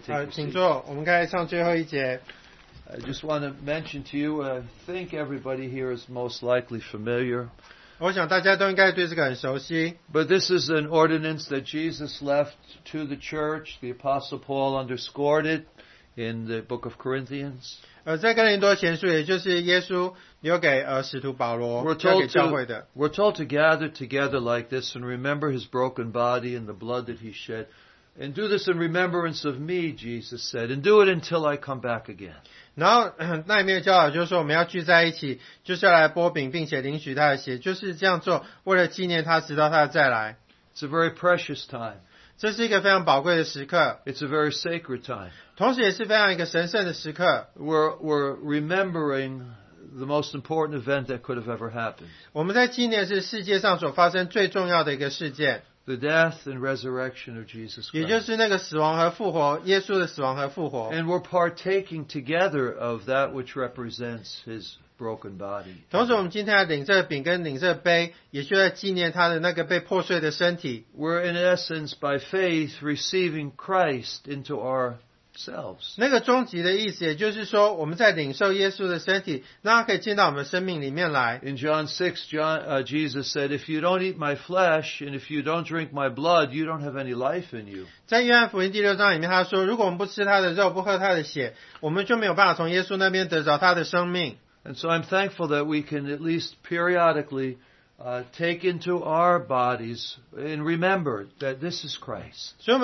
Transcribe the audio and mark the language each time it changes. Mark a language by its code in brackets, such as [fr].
[zh] 请坐，我们刚才唱最后一节。 [en] I just want to mention to you, I think everybody here is most likely familiar. [zh] 我想大家都应该对这个很熟悉。 [en] But this is an ordinance that Jesus left to the church. The Apostle Paul underscored it in the book of Corinthians. [zh] 在哥林多前书，也就是耶稣留给使徒保罗，交给教会的。 [en] We're told to gather together like this and remember his broken body and the blood that he shed. And do this in remembrance of me, Jesus said, and do it until I come back again. [zh] 然后那里面的教导就是说，我们要聚在一起，就是要来擘饼，并且领取他的血，就是这样做，为了纪念他，直到他再来。 [en] It's a very precious time. [zh] 这是一个非常宝贵的时刻。 [en] It's a very sacred time. [zh] 同时也是非常一个神圣的时刻。 [en] We're rememberingthe most important event that could have ever happened. [zh] 我们在纪念是世界上所发生最重要的一个事件。 [en] The death and resurrection of Jesus Christ. [zh] 也就是那个死亡和复活，耶稣的死亡和复活。 [en] And we're partaking together of that which represents his broken body. [zh] 同时我们今天要领这饼跟领这杯，也就在纪念他的那个被破碎的身体。 [en] We're in essence by faith receiving Christ into our selves. [zh] 那个终极的意思，也就是说，我们在领受耶稣的身体，那可以进到我们生命里面来。 [en] In John 6, Jesus said, "If you don't eat my flesh and if you don't drink my blood, you don't have any life in you." [zh] 在约翰福音第六章里面，他说，如果我们不吃他的肉，不喝他的血，我们就没有办法从耶稣那边得着他的生命。 [en] And so I'm thankful that we can at least periodically take into our bodies and remember that this is Christ.